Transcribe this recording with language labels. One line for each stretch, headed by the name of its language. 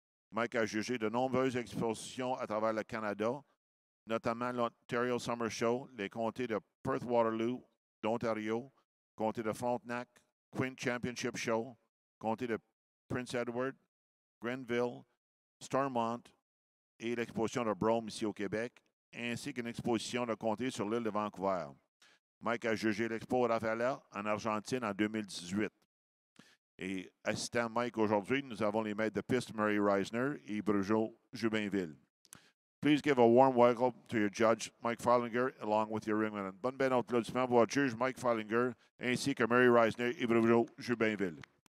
French: Mike a jugé de nombreuses expositions à travers le Canada, notamment l'Ontario Summer Show, les comtés de Perth-Waterloo, d'Ontario, comté de Frontenac, Quint Championship Show, comté de Prince Edward, Grenville, Stormont, et l'exposition de Brome ici au Québec, ainsi qu'une exposition de comté sur l'île de Vancouver. Mike a jugé l'Expo Rafaela en Argentine en 2018. Et assistant Mike aujourd'hui, nous avons les maîtres de piste Murray Reisner et Bruno Jumainville.
English: Please give a warm welcome to your judge, Mike Farlinger, along with your ringman.
French: Bonne ben applaudissement pour votre juge, Mike Farlinger, ainsi que Murray Reisner et Bruno Jumainville.